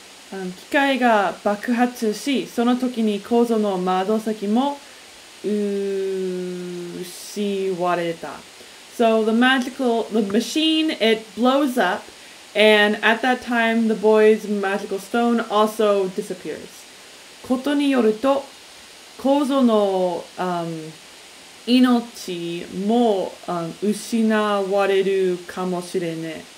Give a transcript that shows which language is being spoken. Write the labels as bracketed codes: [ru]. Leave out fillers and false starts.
[ja] 機械が爆発し、その時に構造の窓先も失われた。 [en] So the machine, it blows up, and at that time, the boy's magical stone also disappears. [ja] ことによると、構造の命も失われるかもしれない。